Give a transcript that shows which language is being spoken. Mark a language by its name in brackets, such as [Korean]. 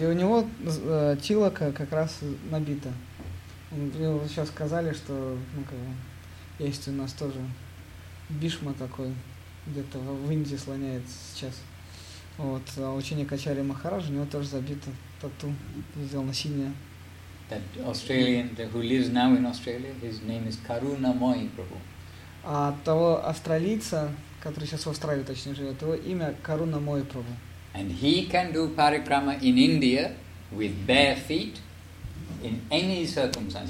[Russian] И у него тилака как раз набита. Его сейчас сказали, что, ну, как бы, есть у нас тоже бишма такой, где-то в Индии слоняется сейчас. Вот. А ученик Ачарьи Махараджа, у него тоже забита тату, сделано синее. [English] That Australian, who lives now in Australia, his name is Karuna Moy Prabhu. [Russian] А того австралийца, который сейчас в Австралии, точнее, живет, его имя Каруна Мой Прабу. [English] And he can do parikrama in India with bare feet in any circumstance.